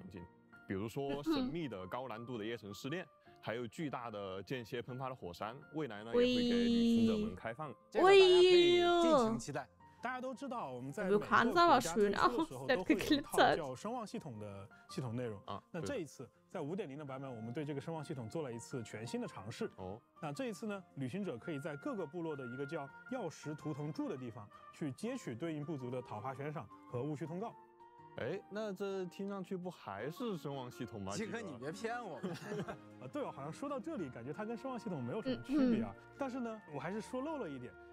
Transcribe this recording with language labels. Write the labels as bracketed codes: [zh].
[zh] 除了刚才老杨讲到的这些奇特生物以外呢，在纳塔还有很多风格迥异的场景，比如说神秘的高难度的夜神试炼。还有巨大的间歇喷发的火山，未来呢也会给旅行者们开放。这个大家可以敬请期待。 [de] Vulkan sah aber schön aus, der hat geglitzert. [zh] 5.0 版本，我们对这个声望系统做了一次全新的尝试。那这一次呢，旅行者可以在各个部落的一个叫药石图腾柱的地方去接取对应部族的讨伐悬赏和戊戌通告。哎，那这听上去不还是声望系统吗？杰克，你别骗我。对，我好像说到这里，感觉它跟声望系统没有什么区别啊。但是呢，我还是说漏了一点。